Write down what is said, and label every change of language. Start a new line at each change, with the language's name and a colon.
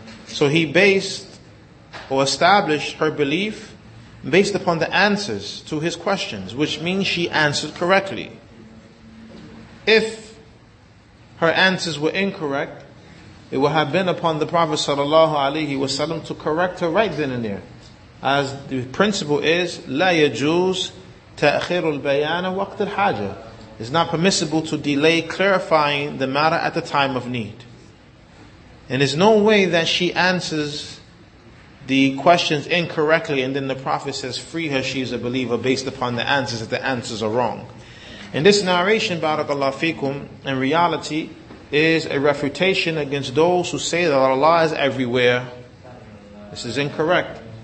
English: So he based or established her belief based upon the answers to his questions, which means she answered correctly. If her answers were incorrect, it would have been upon the Prophet sallallahu alaihi wasallam to correct her right then and there. As the principle is,
Arabic: لا يجوز تأخير البيان وقت الحاجة.
English: It's not permissible to delay clarifying the matter at the time of need. And there's no way that she answers the questions incorrectly and then the Prophet says, "Free her, she is a believer," based upon the answers, if the answers are wrong. And this narration, barakallahu fikum, in reality, is a refutation against those who say that Allah is everywhere. This is incorrect.